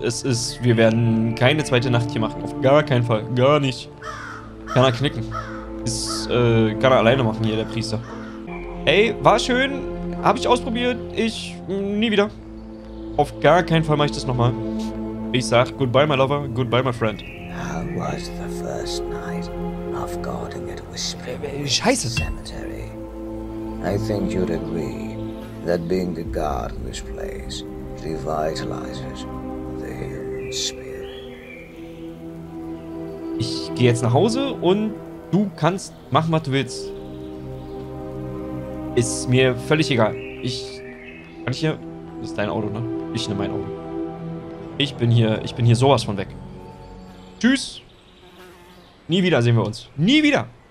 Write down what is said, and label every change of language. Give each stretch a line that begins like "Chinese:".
German: Wir werden keine zweite Nacht hier machen. Auf gar keinen Fall. Gar nicht. Kann er knicken. Kann er alleine machen hier, der Priester. Ey, war schön. Habe ich ausprobiert. Ich, nie wieder. Auf gar keinen Fall mache ich das nochmal. Ich sag,
English: goodbye, my lover. Goodbye, my friend. How was the first night of guarding at Whispering?
German: Scheiße.
English: Cemetery. I think you'd agree. that being the god of this place revitalizes the human spirit.
German: Ich gehe jetzt nach Hause und du kannst machen, was du willst. Ist mir völlig egal. Ich kann ich hier. Das ist dein Auto, ne? Ich nehme mein Auto. Ich bin hier sowas von weg. Tschüss. Nie wieder sehen wir uns. Nie wieder.